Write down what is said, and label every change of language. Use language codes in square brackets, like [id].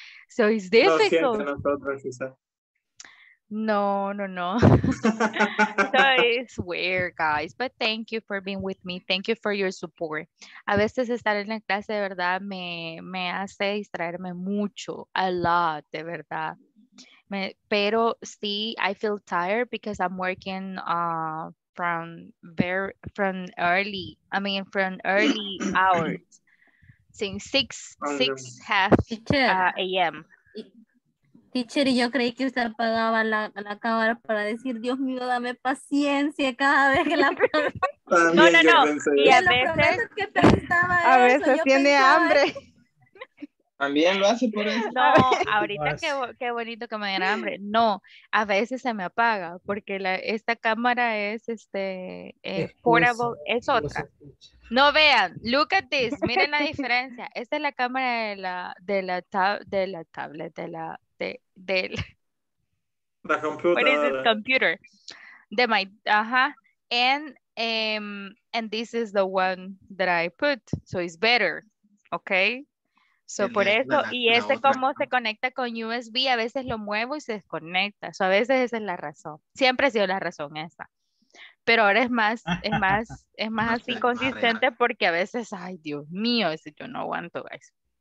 [en] So, it's difficult. [es] Lo siento nosotros, quizá. [en] No. So it's weird, guys. But thank you for being with me. Thank you for your support. [es] A veces estar en la clase, de verdad, me hace distraerme mucho. [en] A lot, [es] de verdad. Pero sí, [en] I feel tired because I'm working from early hours. Since 6:30 a.m. [es] Teacher, yo creí que usted apagaba la cámara para decir, Dios mío, dame paciencia cada vez que la No. Y a veces. Que pensaba a veces eso. Tiene pensaba... hambre. También lo hace por eso. No, ahorita qué bonito que me diera hambre. No, a veces se me apaga porque esta cámara es portable, es otra. No vean, [en] look at this, [es] miren la diferencia. Esta es la cámara de la tablet, de la computer. [en] De my, and this is the one that I put, so it's better, okay? [es] So por eso, y este como se conecta con USB, a veces lo muevo y se desconecta, so a veces esa es la razón, siempre ha sido la razón esa. Pero ahora es más así consistente porque a veces, ay, Dios mío, yo no aguanto, guys.